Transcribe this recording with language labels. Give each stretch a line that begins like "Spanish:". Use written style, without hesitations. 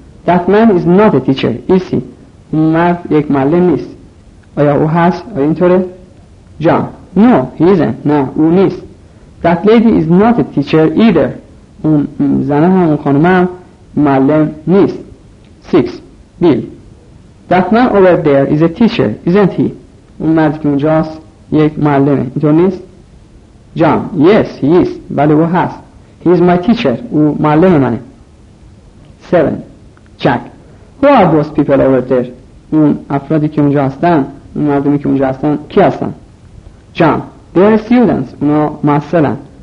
English: That man is not a teacher. Is he?
Persian: اون مرد یک معلم نیست. آیا او هست؟ آیا اینطوره؟ John.
English: No, he isn't.
Persian: نه. او نیست.
English: That lady is not a teacher either.
Persian: اون زنه هم اون خانمه هم معلم نیست. 6. Bill.
English: That man over there is a teacher, isn't he?
Persian: اون مردی که اونجاست یک معلمه. اینطور نیست؟ John.
English: Yes, he is.
Persian: بله او هست.
English: He is my teacher.
Persian: او معلم منه. 7. Jack.
English: Who are those people over there?
Persian: اون افرادی که اونجا هستن، اون مردمی که اونجا هستن، کی هستن؟ John.
English: They are students.
Persian: اونا محصلن.